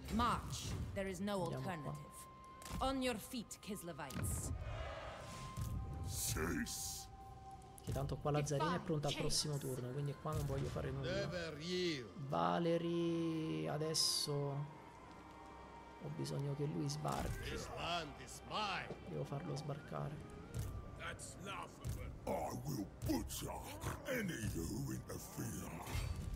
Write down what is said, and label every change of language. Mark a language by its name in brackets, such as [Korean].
[English] March, there is no alternative. On your feet, Kislevites. Cease. [Italian] Che tanto qua la Zarina è pronta al prossimo turno, quindi qua non voglio fare nulla. Valery adesso ho bisogno che lui sbarchi. [English] This land is mine. [Italian] Devo farlo sbarcare. [English] That's laughable. I will butcher any who interfere.